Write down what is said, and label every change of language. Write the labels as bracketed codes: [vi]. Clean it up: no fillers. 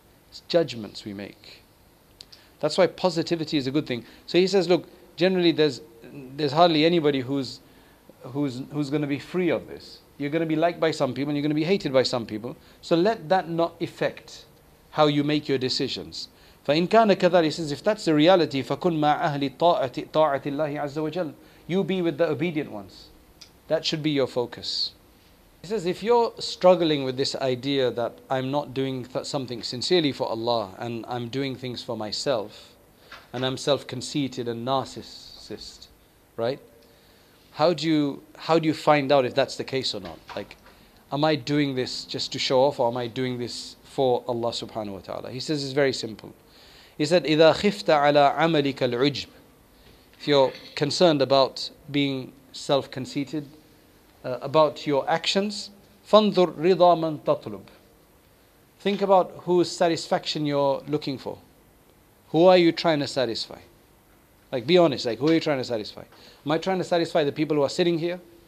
[en] It's judgments we make. That's why positivity is a good thing. So he says, look, generally there's hardly anybody who's going to be free of this. You're going to be liked by some people and you're going to be hated by some people. So let that not affect how you make your decisions. [ar] فَإِنْ كَانَ كَذَلِ. [en] He says, if that's the reality, [ar] فَكُنْ مَعَ أَهْلِ طَاعَةِ اللَّهِ عَزَّ وَجَلَّ. [en] You be with the obedient ones. That should be your focus. He says, if you're struggling with this idea that I'm not doing something sincerely for Allah and I'm doing things for myself and I'm self-conceited and narcissist, right? How do you find out if that's the case or not? Like, am I doing this just to show off or am I doing this for Allah subhanahu wa ta'ala? He says, it's very simple. He said, [ar] إِذَا خِفْتَ عَلَىٰ عَمَلِكَ الْعُجْبِ. [en] If you're concerned about being self-conceited, about your actions, [ar] فَانْظُرْ رِضَى مَنْ تَطْلُبْ. [en] Think about whose satisfaction you're looking for. Who are you trying to satisfy? Like, be honest, like, who are you trying to satisfy? Am I trying to satisfy the people who are sitting here?